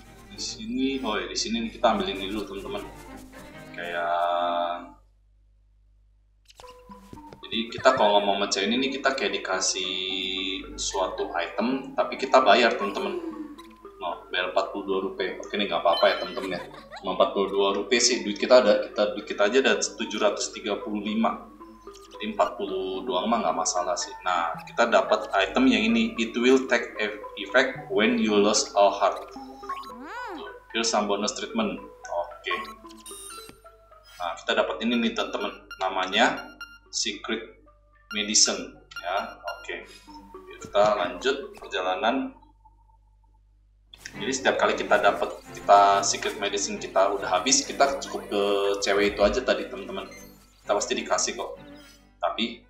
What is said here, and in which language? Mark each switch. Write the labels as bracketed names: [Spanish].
[Indonesian] Di sini, oh ya, di sini kita ambil ini dulu, teman-teman. Kayak jadi kita kalau ngomong macam ini, kita kayak dikasih suatu item tapi kita bayar, teman-teman. Oh, bayar 42 rupiah. Oke, ini nggak apa-apa ya, teman-teman, ya. 42 rupiah sih duit kita, ada kita, duit kita aja ada 735. Jadi 42 mah nggak masalah sih. Nah, kita dapat item yang ini. [English] It will take effect when you lose all heart. Here's some bonus treatment. Oke. Okay. [Indonesian] Nah, kita dapat ini nih, teman-teman. Namanya Secret Medicine. Ya, oke. Okay. Kita lanjut perjalanan. Jadi setiap kali kita dapat kita Secret Medicine kita udah habis, kita cukup ke cewek itu aja tadi, teman-teman. Kita pasti dikasih kok. Tapi